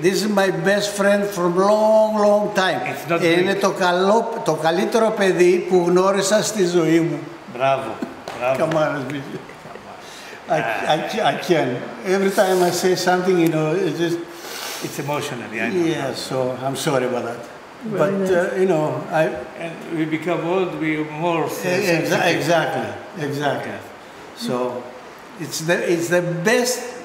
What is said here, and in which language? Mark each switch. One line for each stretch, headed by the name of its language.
English: This is my best friend from long time. It's not Greek.
Greek: Είναι το καλύτερο παιδί που γνώρισα στη ζωή μου. Μπράβο, μπράβο. Καμάρας, μπίτσο. I can.
English: Every time I say something, you know, it's just... It's emotional, yeah, I know. Yeah, so I'm sorry about that. But, you know, I... And we become old, we are more sensitive. Exactly. Yeah. So, it's the best...